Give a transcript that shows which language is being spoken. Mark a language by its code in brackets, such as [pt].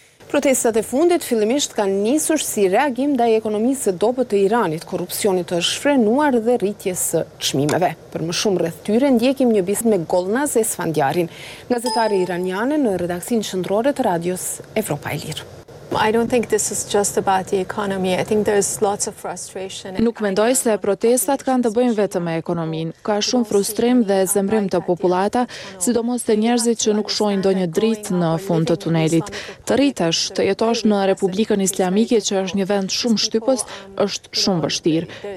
[sq] Protestat e fundit fillimisht kanë nisur si reagim ndaj ekonomisë së dobët të Iranit, korrupsionit të shfrenuar dhe rritjes së çmimeve. Për më shumë rreth tyre ndjekim një bisedë me Golnaz Esfandjarin, gazetare iraniane në redaksinë qendrore të radios Evropa e Lirë. [en] I don't think this is just about the economy. I think there's lots of frustration. [sq] Nuk mendoj se protestat kanë të bëjnë vetëm me ekonominë. Ka shumë frustrim dhe zemrim të popullata, sidomos të njerëzit që nuk shohin ndonjë dritë në fund të tunelit. Të rritesh, të jetosh në Republikën Islamike që është një vend shumë shtypës, është shumë vështirë.